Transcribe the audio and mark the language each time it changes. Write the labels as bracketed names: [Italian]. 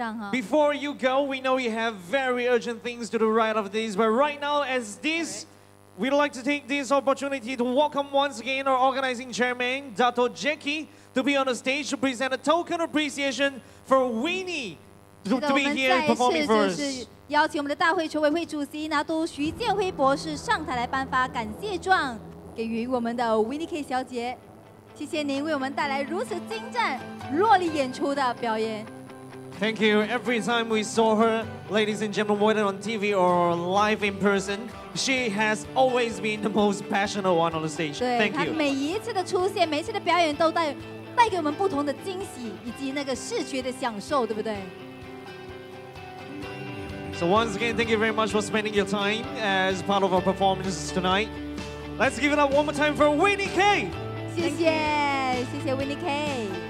[English] Before you go, we know you have very urgent things to do right after this. But right now, as this, we'd like to take this opportunity to welcome once again our organizing chairman, Dato Jackie, to be on the stage to present a token of appreciation for Winnie to be here performing for us. [Chinese] 邀请我们的大会筹委会主席拿督徐建辉博士上台来颁发感谢状，给予我们的 Winnie K 小姐。谢谢您为我们带来如此精湛、落力演出的表演。 [English] Thank you. Every time we saw her, ladies and gentlemen, whether on TV or live in person, she has always been the most passionate one on the stage. Thank you. [Chinese] 对，她每一次的出现，每一次的表演都带给我们不同的惊喜以及那个视觉的享受，对不对？ [English] So once again, thank you very much for spending your time as part of our performances tonight. Let's give it up one more time for Winnie K. [Chinese] 谢谢，谢谢 Winnie K.